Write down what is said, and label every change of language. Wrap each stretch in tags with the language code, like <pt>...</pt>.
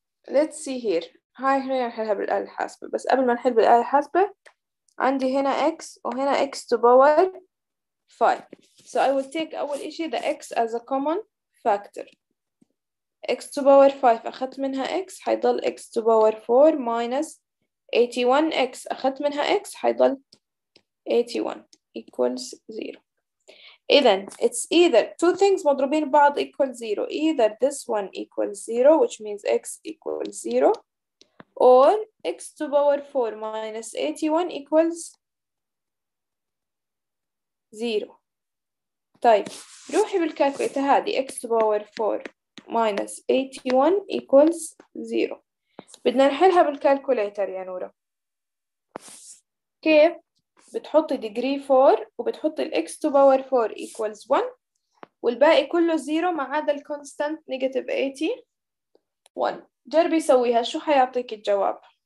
<en>Let's see here</en> <ar>هاي هنا نحلها بالآلة الحاسبة</ar> <en>بس قبل ما نحل بالآلة الحاسبة عندي هنا x وهنا x to power 5 So I will take</en> <ar>أول إشي</ar> <en>the x as a common factor x to power 5 أخذت منها x حيضل x to power 4 minus 81x أخذت منها x حيضل 81 equals 0. إذن it's either two things</en> <ar>مضروبين بعض</ar> <en>equal 0. Either this one equals 0 which means x equals 0 or x to power 4 minus 81 equals 0.</en> <ar>طيب روحي بالكالكوليتر هذه</ar> <en>x to power 4 minus 81 equals 0.</en> <ar>بدنا نحلها بالكالكوليتر يا نورة. كيف؟ بتحطي degree 4 وبتحطي ال</ar> <en>x to power 4 equals 1</en> <ar>والباقي كله 0 ما عدا ال constant negative 81 جربي سويها شو حيعطيك الجواب؟</ar>